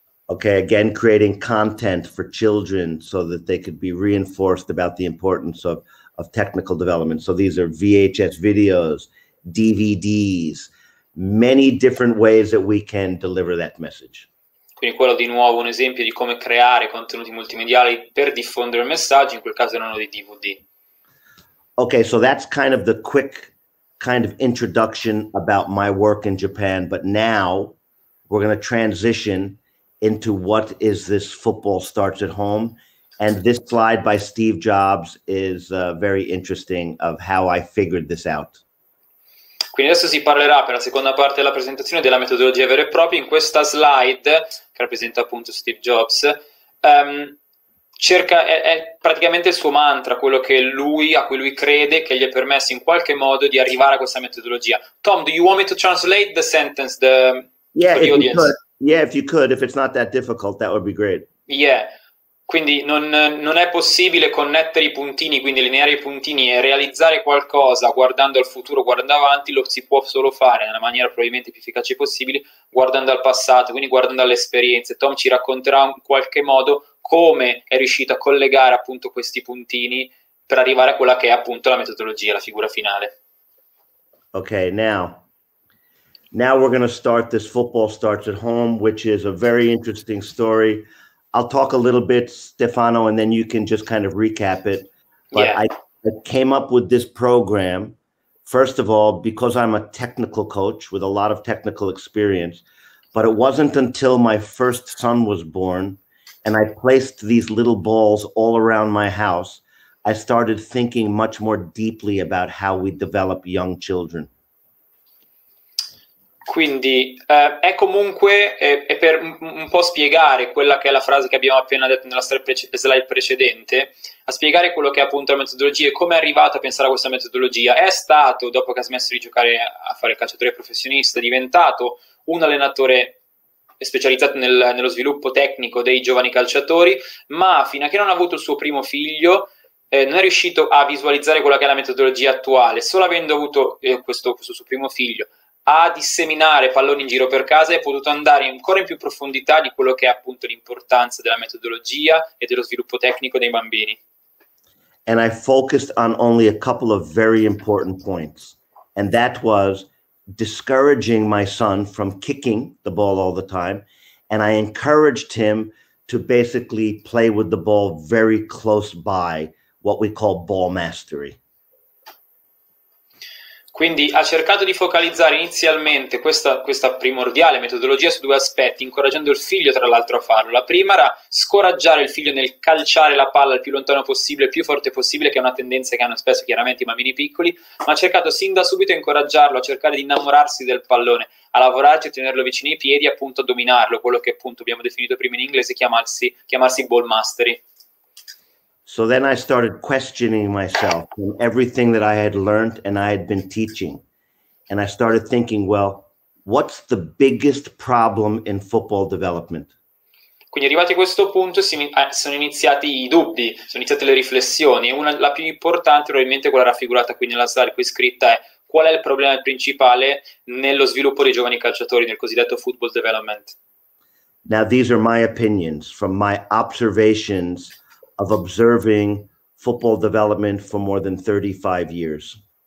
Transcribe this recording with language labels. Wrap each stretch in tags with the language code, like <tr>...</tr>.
<en>Okay, again, creating content for children so that they could be reinforced about the importance of technical development. So these are VHS videos, DVDs, many different ways that we can deliver that message.</en> <it>Quindi quello di nuovo un esempio di come creare contenuti multimediali per diffondere il messaggio, in quel caso erano dei DVD.</it> <en>Okay, so that's kind of the quick kind of introduction about my work in Japan, but now we're going to transition into what is this football starts at home. And this slide by Steve Jobs is very interesting of how I figured this out.</en> <it>Quindi adesso si parlerà per la seconda parte della presentazione della metodologia vera e propria. In questa slide, che rappresenta appunto Steve Jobs, è praticamente il suo mantra, quello che lui, a cui lui crede, che gli ha permesso in qualche modo di arrivare a questa metodologia.</it> <en>Tom, do you want me to translate the sentence for the audience? Yeah, if you could, if it's not that difficult, that would be great. Yeah.</en> <it>Quindi non è possibile connettere i puntini, quindi lineare i puntini e realizzare qualcosa guardando al futuro, guardando avanti, lo si può solo fare nella maniera probabilmente più efficace possibile, guardando al passato, quindi guardando alle esperienze. Tom ci racconterà in qualche modo come è riuscito a collegare appunto questi puntini per arrivare a quella che è appunto la metodologia, la figura finale.</it> <en>Ok, now. Now we're going to start this football starts at home, which is a very interesting story. I'll talk a little bit, Stefano, and then you can just kind of recap it. But yeah. I came up with this program, first of all, because I'm a technical coach with a lot of technical experience. But it wasn't until my first son was born and I placed these little balls all around my house, I started thinking much more deeply about how we develop young children.</en> <it>Quindi è comunque, è per un po' spiegare quella che è la frase che abbiamo appena detto nella slide precedente, a spiegare quello che è appunto la metodologia e come è arrivato a pensare a questa metodologia. È stato, dopo che ha smesso di giocare a fare il calciatore professionista, diventato un allenatore specializzato nello sviluppo tecnico dei giovani calciatori, ma fino a che non ha avuto il suo primo figlio, non è riuscito a visualizzare quella che è la metodologia attuale, solo avendo avuto questo suo primo figlio. A disseminare palloni in giro per casa e è potuto andare ancora in più profondità di quello che è appunto l'importanza della metodologia e dello sviluppo tecnico dei bambini.</it> <en>And I focused on only a couple of very important points, and that was discouraging my son from kicking the ball all the time And I encouraged him to basically play with the ball very close by, what we call ball mastery.</en> <it>Quindi ha cercato di focalizzare inizialmente questa primordiale metodologia su due aspetti, incoraggiando il figlio tra l'altro a farlo. La prima era scoraggiare il figlio nel calciare la palla il più lontano possibile, il più forte possibile, che è una tendenza che hanno spesso chiaramente i bambini piccoli, ma ha cercato sin da subito a incoraggiarlo a cercare di innamorarsi del pallone, a lavorarci, a tenerlo vicino ai piedi, appunto a dominarlo, quello che appunto abbiamo definito prima in inglese chiamarsi ball mastery.</it> <en>So then I started questioning myself and everything that I had learned and I had been teaching. And I started thinking, well, what's the biggest problem in football development?</en> <it>Quindi arrivati a questo punto sono iniziati i dubbi, sono iniziate le riflessioni. Una, la più importante, probabilmente quella raffigurata qui nella slide qui scritta, è qual è il problema principale nello sviluppo dei giovani calciatori, nel cosiddetto football development.</it> <en>Now these are my opinions from my observations of observing football development for more than 35 years.</en>